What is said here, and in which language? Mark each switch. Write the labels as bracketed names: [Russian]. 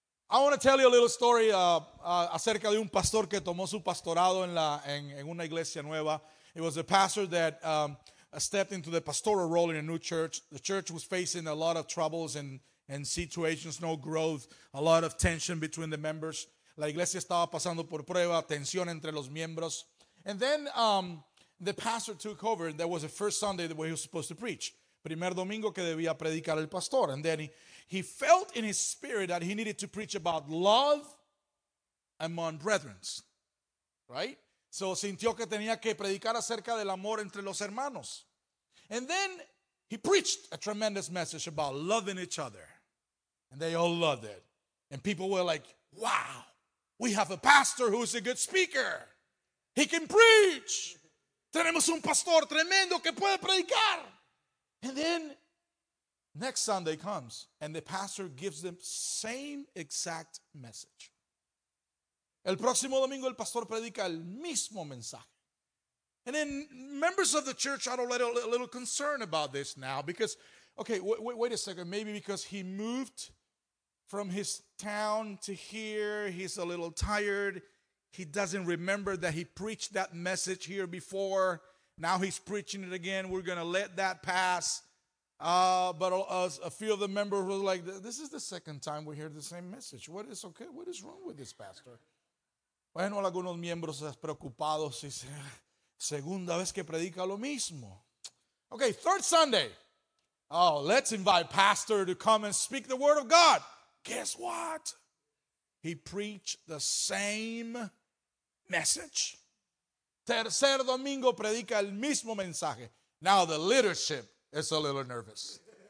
[English] I want to tell you a little story [Spanish] acerca de un pastor que tomó su pastorado en una iglesia nueva. [English] It was a pastor that stepped into the pastoral role in a new church. The church was facing a lot of troubles and situations, no growth, a lot of tension between the members. [Spanish] La iglesia estaba pasando por prueba, tensión entre los miembros. [English] And then the pastor took over, and that was the first Sunday that he was supposed to preach. [Spanish] Primer domingo que debía predicar el pastor. [English] And then he felt in his spirit that he needed to preach about love among brethren. Right? So [Spanish] sintió que tenía que predicar acerca del amor entre los hermanos. [English] And then he preached a tremendous message about loving each other. And they all loved it. And people were like, wow, we have a pastor who is a good speaker. He can preach. [Spanish] Tenemos un pastor tremendo que puede predicar. [English] And then Next Sunday comes, and the pastor gives them same exact message. [Spanish] El próximo domingo, el pastor predica el mismo mensaje. [English] And then members of the church are a little concerned about this now because, okay, wait a second. Maybe because he moved from his town to here, he's a little tired. He doesn't remember that he preached that message here before. Now he's preaching it again. We're going to let that pass. But a few of the members were like, this is the second time we hear the same message. What is okay? What is wrong with this pastor? [Spanish] Bueno, algunos miembros están preocupados y dicen, segunda vez que predica lo mismo. [English] Okay, third Sunday. Oh, let's invite pastor to come and speak the word of God. Guess what? He preached the same message. [Spanish] Tercer domingo predica el mismo mensaje. [English] Now the leadership is a little nervous.